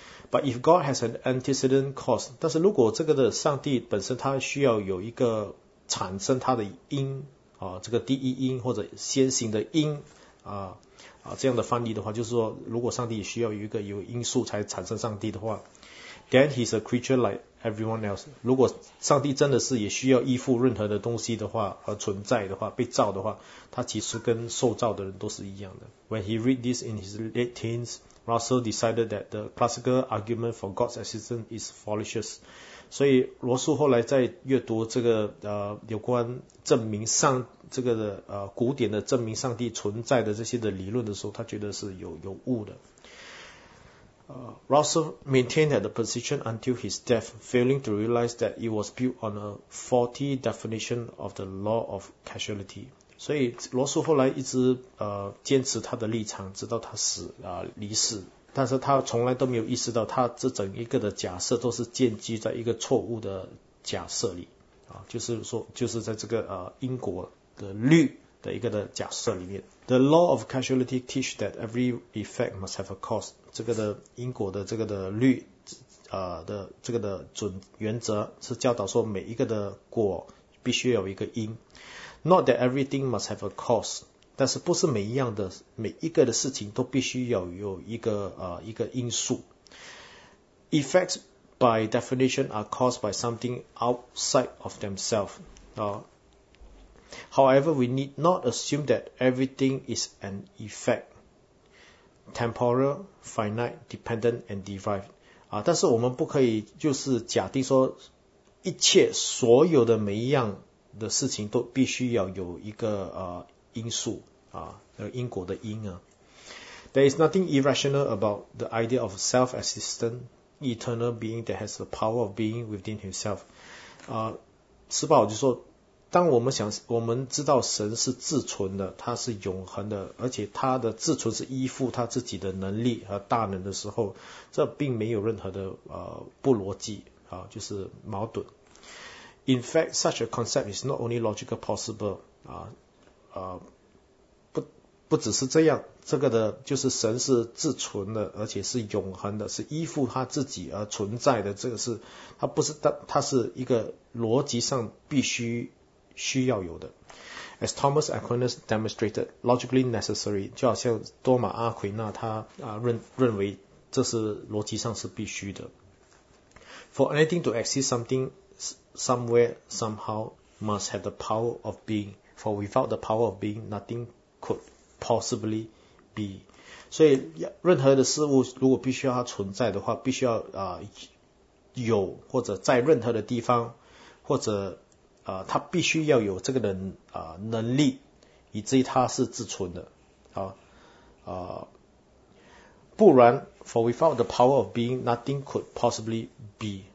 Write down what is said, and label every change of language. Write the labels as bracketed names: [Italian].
[English] But if God has an antecedent cause， [Chinese] 但是如果这个的上帝本身他需要有一个产生他的因这个第一因或者先行的因这样的翻译的话，就是说如果上帝需要有一个有因素才产生上帝的话 ， [English] then he's a creature like everyone else。 [Chinese] 如果上帝真的是也需要依附任何的东西的话而存在的话，被造的话，他其实跟受造的人都是一样的。 [English] When he read this in his late teens, Russell decided that the classical argument for God's existence is fallacious。 [Chinese] 所以罗素后来在阅读这个有关证明上这个古典的证明上帝存在的这些的理论的时候，他觉得是有误的。 [English] Russell maintained that the position until his death, failing to realize that it was built on a faulty definition of the law of causality. [Chinese] 所以罗素后来一直坚持他的立场，直到他死离世。但是他从来都没有意识到，他这整一个的假设都是建基在一个错误的假设里就是说，就是在这个因果的律的一个的假设里面。 [English] The law of causality teach that every effect must have a cause。 [Chinese] 这个的因果的这个的律的这个的准原则是教导说每一个的果必须有一个因。 [English] Not that everything must have a cause， [Chinese] 但是不是每一样的每一个的事情都必须要有一个因素。 [English] Effects by definition are caused by something outside of themselves。 However, we need not assume that everything is an effect, temporal, finite, dependent, and derived. [Chinese] 但是我们不可以就是假定说一切所有的每一样的事情都必须要有一个因素因果的因啊。 [English] There is nothing irrational about the idea of self-existent, eternal being that has the power of being within himself. [Chinese] 施宝就说当我们想，我们知道神是自存的，他是永恒的，而且他的自存是依附他自己的能力和大能的时候，这并没有任何的不逻辑啊，就是矛盾。 [English] In fact, such a concept is not only logically possible [Chinese] 不只是这样，这个的就是神是自存的，而且是永恒的，是依附他自己而存在的。这个是他不是他是一个逻辑上必须。需要有的 ， [English] as Thomas Aquinas demonstrated logically necessary， [Chinese] 就好像多马阿奎那他认为这是逻辑上是必须的。 [English] For anything to exist, something, somewhere, somehow must have the power of being. For without the power of being, nothing could possibly be. [Chinese] 所以任何的事物如果必须要它存在的话，必须要有或者在任何的地方或者。他必须要有这个人能力，以至于他是自存的不然 ， [English] for without the power of being, nothing could possibly be。